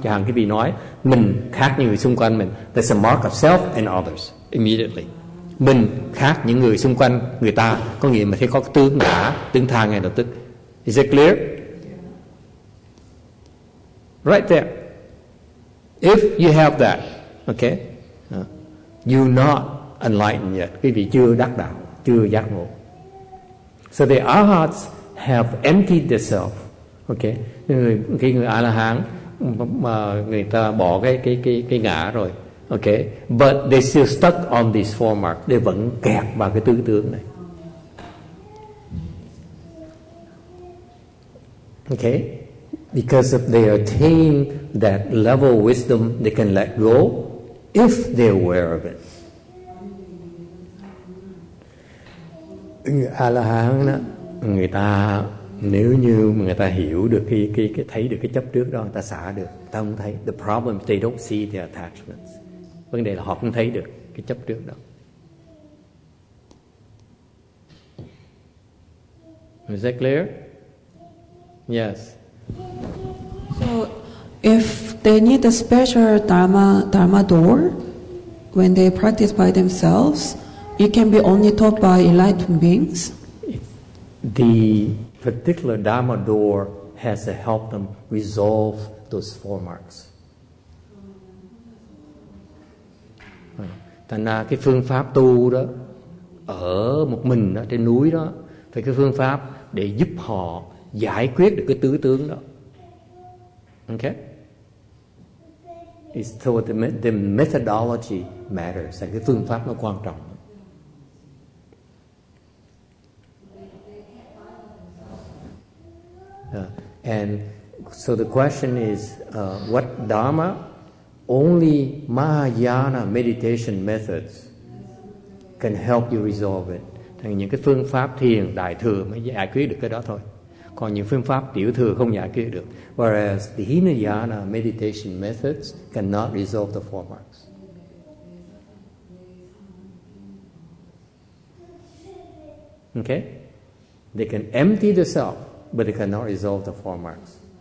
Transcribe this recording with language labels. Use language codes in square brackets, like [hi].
[vi] Chẳng hạn quý vị nói mình khác những người xung quanh mình. [en] There's a mark of self and others immediately. [vi] Mình khác những người xung quanh người ta. Có nghĩa mình thấy có tướng ngã, tướng tha ngay lập tức. [en] Is it clear? Right there. If you have that, okay, you're not enlightened yet. [vi] Quý vị chưa đắc đạo, chưa giác ngộ. [en] So the Arahants have emptied themselves. [vi] Okay, người A-la-hán mà người ta bỏ cái ngã rồi. [en] Okay, but they still stuck on this four mark. [vi] They vẫn kẹt vào cái tư tưởng này. [en] Okay, because if they attain that level of wisdom, they can let go if they're aware of it. [vi] A-la-hán đó, người ta nếu như người ta hiểu được cái thấy được cái chấp trước đó, người ta xả được, người ta không thấy. [en] The problem is they don't see the attachments. [vi] Vấn đề là họ không thấy được cái chấp trước đó. [en] Is that clear? Yes. So if they need a special dharma door when they practice by themselves, it can be only taught by enlightened beings. The particular dharma door has to help them resolve those four marks. [vi] Thành ra cái phương pháp tu đó ở một mình đó, trên núi đó, phải cái phương pháp để giúp họ giải quyết được cái tứ tướng đó. [en] Okay? It's so the methodology matters, [vi] cái phương pháp nó quan trọng. [en] And so the question is, what dharma? Only Mahayana meditation methods can help you resolve it. [vi] Thì những cái phương pháp thiền đại thừa mới giải quyết được cái đó thôi. Còn những phương pháp tiểu thừa không giải quyết được. [en] Whereas the Hinayana meditation methods cannot resolve the four marks. Okay? They can empty the self, but they cannot resolve the four marks.